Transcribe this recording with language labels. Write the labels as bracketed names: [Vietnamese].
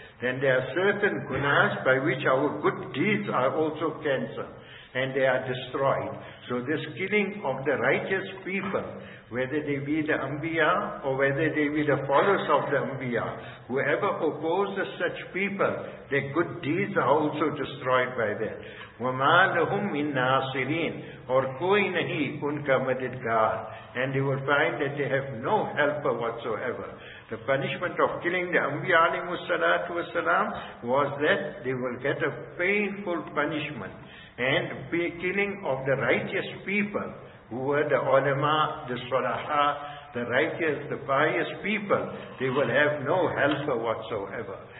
[English] Then there are certain gunas by which our good deeds are also cancelled and they are destroyed. So this killing of the righteous people, whether they be the Anbiya or whether they be the followers of the Anbiya, whoever opposes such people, their good deeds are also destroyed by them. [Arabic] وَمَا لَهُمْ مِنْ نَاصِرِينَ [Urdu] اور کوئی نہیں ان کا مددگار. [English] And they will find that they have no helper whatsoever. The punishment of killing the Anbiya alayhi salatu wasalam was that they will get a painful punishment. And the killing of the righteous people who were the ulama, the salaha, the righteous, the pious people, they will have no helper whatsoever.